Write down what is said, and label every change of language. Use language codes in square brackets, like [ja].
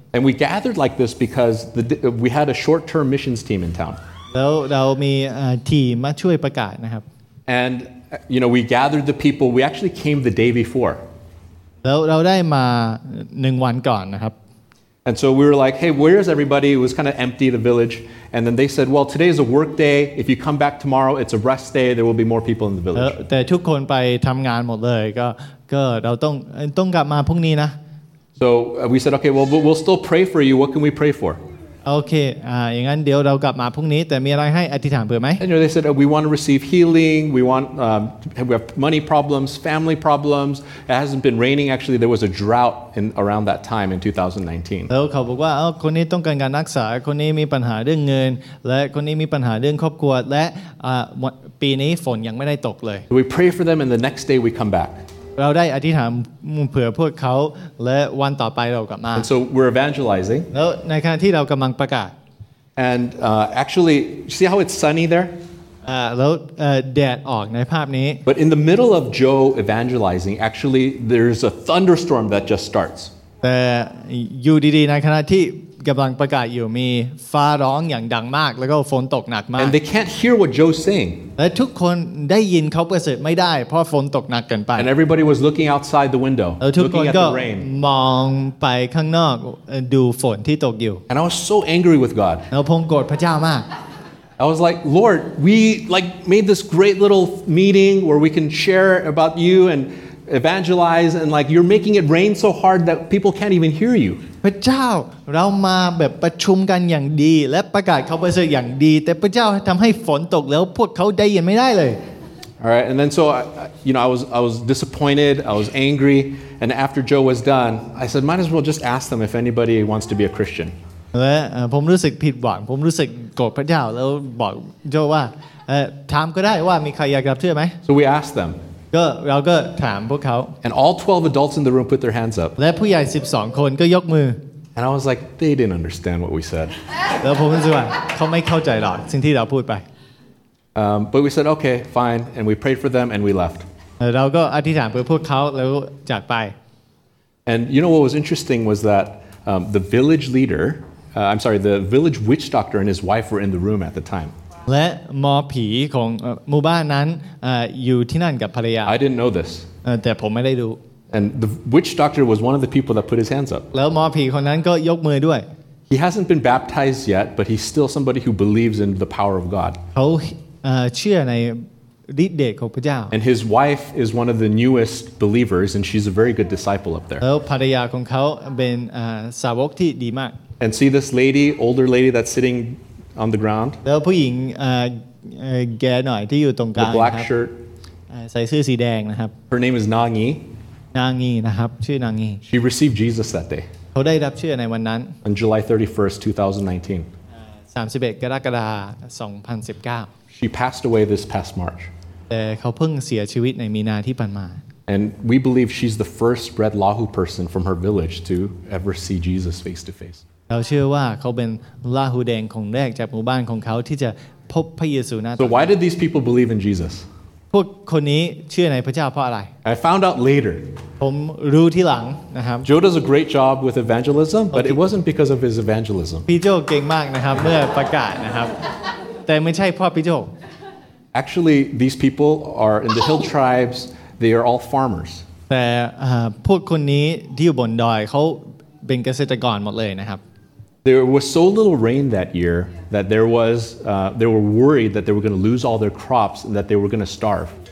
[en] And we gathered like this because we had a short-term missions team in town. [th] แล้วเรามีทีมมาช่วยประกาศนะครับ [en] And you know we gathered the people. We actually came the day before. [th] แล้วเราได้มา1วันก่อนนะครับ [en] And so we were like, "Hey, where is everybody?" It was kind of empty the village. And then they said, "Well, today is a work day. If you come back tomorrow, it's a rest day. There will be more people in the village." [th] แต่ทุกคนไปทำงานหมดเลยก็เราต้องกลับมาพรุ่งนี้นะ [en] So we said, "Okay, well, we'll still pray for you. What can we pray for?" [th] Okay, อย่างนั้นเดี๋ยวเรากลับมาพรุ่งนี้แต่มีอะไรให้อธิษฐานเผื่อไหม [en] And you know, they said, "We want to receive healing. We want we have money problems, family problems. It hasn't been raining actually. There was a drought in around that time in 2019." [th] แล้วเขาบอกว่าคนนี้ต้องการการรักษาคนนี้มีปัญหาเรื่องเงินและคนนี้มีปัญหาเรื่องครอบครัวและปีนี้ฝนยังไม่ได้ตกเลย [en] We pray for them, and the next day we come back. [th] เราได้อธิษฐานเผื่อพวกเขาและวันต่อไปเรากลับมา [en] And so we're evangelizing [th] แล้วในขณะที่เรากำลังประกาศ [en] And actually see how it's sunny there [th] แล้วแดดออกในภาพนี้ [en] But in the middle of Joe evangelizing actually there's a thunderstorm that just starts [th] แต่อยู่ดีๆในขณะที่กำลังประกาศอยู่มีฟ้าร้องอย่างดังมากแล้วก็ฝนตกหนักมาก [en] And they can't hear what Joe's saying [th] และทุกคนได้ยินเขาประเสริฐไม่ได้เพราะฝนตกหนักกันไป [en] And everybody was looking outside the window looking at the rain [th] มองไปข้างนอกดูฝนที่ตกอยู่ [en] And I was so angry with God [th] แล้วผมโกรธพระเจ้ามาก [en] I was like Lord we like made this great little meeting where we can share about you and evangelize and like you're making it rain so hard that people can't even hear you [th] พระเจ้าเรามาแบบประชุมกันอย่างดีและประกาศข่าวประเสริฐอย่างดีแต่พระเจ้าทําให้ฝนตกแล้วพวกเขาได้ยินไม่ได้เลย [en] All right and then so you know I was disappointed I was angry and after Joe was done I said might as well just ask them if anybody wants to be a Christian [th] และผมรู้สึกผิดหวังผมรู้สึกโกรธพระเจ้าแล้วบอกโจว่าถามก็ได้ว่ามีใครอยากกลับเชื่อมั้ย [en] So we asked them [th] ก็เราก็ถามพวกเขา [en] And all 12 adults in the room put their hands up [th] และผู้ใหญ่12คนก็ยกมือ [en] And I was like they didn't understand what we said [th] แล้วผมก็สิว่าเขาไม่เข้าใจหรอกสิ่งที่เราพูดไป [en] But we said okay fine and we prayed for them and we left [th] เราก็อธิษฐานเพื่อพวกเขาแล้วจากไป [en] And you know what was interesting was that the village leader I'm sorry the village witch doctor and his wife were in the room at the time [th] และหมอผีของหมู่บ้านนั้นอยู่ที่นั่นกับภรรยา [en] I didn't know this [th] แต่ผมไม่ได้รู้ [en] And the witch doctor was one of the people that put his hands up [th] แล้วหมอผีคนนั้นก็ยกมือด้วย [en] He hasn't been baptized yet but he's still somebody who believes in the power of God [th] เขาเชื่อในฤทธิ์เดชของพระเจ้า [en] And his wife is one of the newest believers and she's a very good disciple up there [th] แล้วภรรยาของเขาเป็นสาวกที่ดีมาก [en] And see this lady older lady that's sittingon the ground [th] แล้วผู้หญิงแก่หน่อยที่อยู่ตรงกลาง [en] ครับ black shirt [th] ใส่เสื้อสีแดงนะครับ [en] her name is Nangi [th] Nangi นะครับชื่อ Nangi [en] she received Jesus that day [th] เขาได้รับเชื่อในวันนั้น [en] on July 31st 2019 [th] 31กรกฎาคม2019 [en] she passed away this past March [th] แต่เขาเพิ่งเสียชีวิตในมีนาที่ผ่านมา [en] and we believe she's the first Red Lahu person from her village to ever see Jesus face to face [th] เราเชื่อว่าเขาเป็นลาหูแดงคนแรกจากหมู่บ้านของเขาที่จะพบพระเยซูนะ [en] So why did these people believe in Jesus? [th] พวกคนนี้เชื่อในพระเจ้าเพราะอะไร [en] I found out later. [th] ผมรู้ทีหลังนะครับ [en] Joe does a great job with evangelism, but it wasn't because of his evangelism. [th] พี่โจเก่งมากนะครับเมื่อประกาศนะครับแต่ไม่ใช่เพราะพี่โจ [en] Actually, these people are in the hill tribes. They are all farmers. [th] แต่พวกคนนี้ที่อยู่บนดอยเขาเป็นเกษตรกรหมดเลยนะครับ [en] There was so little rain that year that there was they were worried that they were going to lose all their crops and that they were going to starve.